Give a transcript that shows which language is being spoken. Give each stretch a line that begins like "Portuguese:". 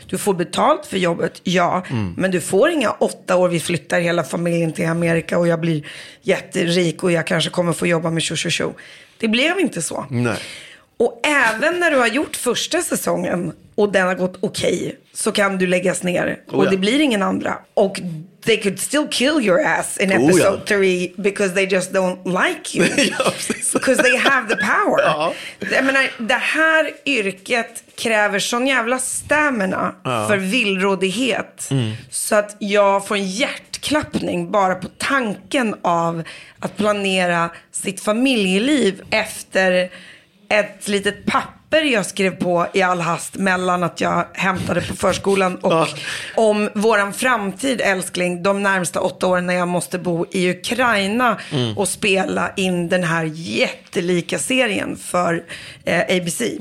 Swedish: Du får betalt för jobbet, ja. Mm. Men du får inga 8 år. Vi flyttar hela familjen till Amerika och jag blir jätterik och jag kanske kommer få jobba med tjo. Det blev inte så. Nej. Och även när du har gjort första säsongen och den har gått okej, så kan du läggas ner. Oh, ja. Och det blir ingen andra.
English: Och they could still kill your ass in episode 3 because they just don't like you. Because they have the power.
Swedish: Ja. Jag menar, det här yrket kräver sån jävla stamina för villrådighet. Mm. Så att jag får en hjärtklappning bara på tanken av att planera sitt familjeliv efter ett litet papper jag skrev på i all hast mellan att jag hämtade på förskolan och om våran framtid, älskling, de närmsta 8 åren när jag måste bo i Ukraina och spela in den här jättelika serien för ABC.